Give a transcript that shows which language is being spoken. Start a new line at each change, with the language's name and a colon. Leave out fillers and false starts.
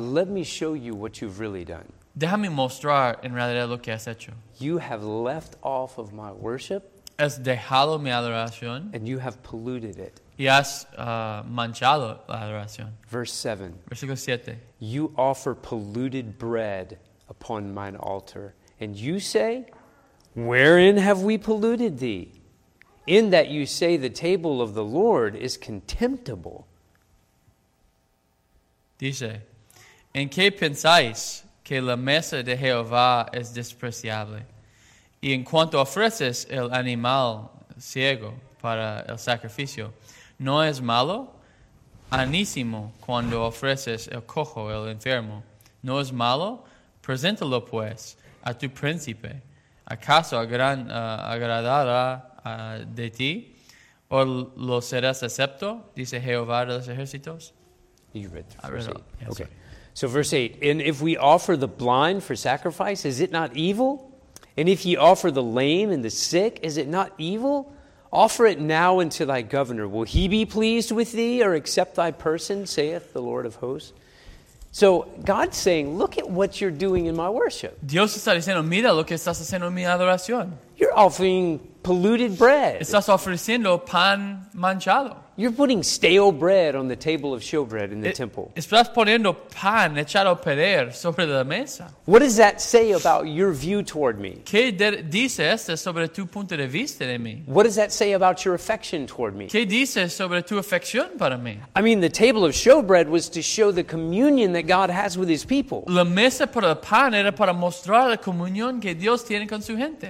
English: Let me show you what you've really done.
Spanish: Déjame mostrar en realidad lo que has hecho.
English: You have left off of my worship.
Spanish: Has dejado mi adoración.
English: And you have polluted it.
Spanish: Y has manchado la adoración.
English: Verse 7.
Spanish: Versículo 7.
English: You offer polluted bread upon mine altar. And you say, wherein have we polluted thee? In that you say the table of the Lord is contemptible.
Spanish: Dice, ¿en qué pensáis que la mesa de Jehová es despreciable? Y en cuanto ofreces el animal ciego para el sacrificio, ¿no es malo? Anísimo cuando ofreces el cojo, el enfermo. ¿No es malo? Preséntalo, pues, a tu príncipe. ¿Acaso agradará de ti? ¿O lo serás acepto? Dice Jehová de los ejércitos.
English: You read the verse 8. Yeah, okay. So verse 8. And if we offer the blind for sacrifice, is it not evil? And if ye offer the lame and the sick, is it not evil? Offer it now unto thy governor. Will he be pleased with thee or accept thy person, saith the Lord of hosts? So God's saying, look at what you're doing in my worship.
Spanish: Dios está diciendo, mira lo que estás haciendo en mi adoración.
English: You're offering polluted bread.
Spanish: Estás ofreciendo pan manchado.
English: You're putting stale bread on the table of showbread in the temple.
Spanish: Estás poniendo pan echado a perder sobre la mesa.
English: What does that say about your view toward me?
Spanish: ¿Qué dice esto sobre tu punto de vista de mí?
English: What does that say about your affection toward me?
Spanish: ¿Qué dice sobre tu afección para mí?
English: I mean, the table of showbread was to show the communion that God has with his people.
Spanish: La mesa para el pan era para mostrar la comunión que Dios tiene con su gente.